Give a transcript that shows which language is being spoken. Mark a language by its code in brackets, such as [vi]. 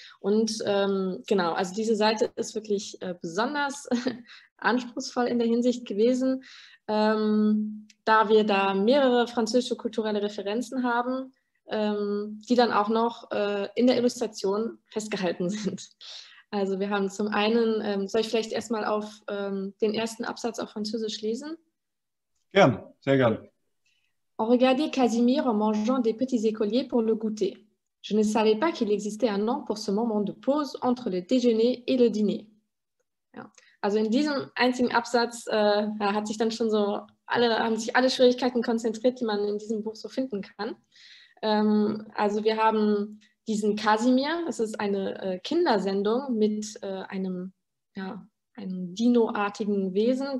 [de] Und genau, also diese Seite ist wirklich besonders anspruchsvoll in der Hinsicht gewesen, da wir da mehrere französische kulturelle Referenzen haben, die dann auch noch in der Illustration festgehalten sind. Also wir haben zum einen, soll ich vielleicht erstmal auf den ersten Absatz auf Französisch lesen? Gerne, sehr gerne. [fr] On regardait Casimir en mangeant des petits écoliers pour le goûter. Je ne savais pas qu'il existait un nom pour ce moment de pause entre le déjeuner et le dîner. [de] Ja. Also in diesem einzigen Absatz hat sich dann schon so haben sich alle Schwierigkeiten konzentriert, die man in diesem Buch so finden kann. Also wir haben diesen Casimir. Es ist eine Kindersendung mit einem Dino-artigen Wesen.